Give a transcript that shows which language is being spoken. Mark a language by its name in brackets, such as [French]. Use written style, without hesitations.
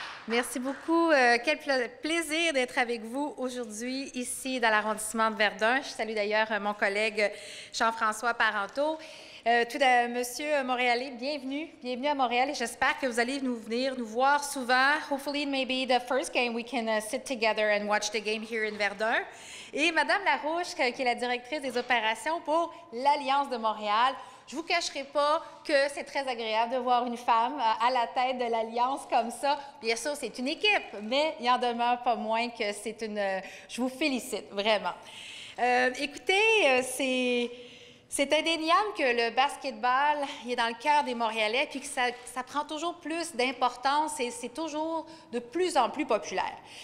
[French] Merci beaucoup. Quel plaisir d'être avec vous aujourd'hui ici dans l'arrondissement de Verdun. Je salue d'ailleurs mon collègue Jean-François Parenteau. Monsieur Montréalais, bienvenue. Bienvenue à Montréal et j'espère que vous allez nous voir souvent. [English] Hopefully, maybe the first game we can sit together and watch the game here in Verdun. [French] Et Madame Larouche, qui est la directrice des opérations pour l'Alliance de Montréal. Je ne vous cacherai pas que c'est très agréable de voir une femme à la tête de l'Alliance comme ça. Bien sûr, c'est une équipe, mais il n'en demeure pas moins que c'est une... Je vous félicite, vraiment. Écoutez, c'est indéniable que le basketball est dans le cœur des Montréalais puis que ça prend toujours plus d'importance et c'est toujours de plus en plus populaire.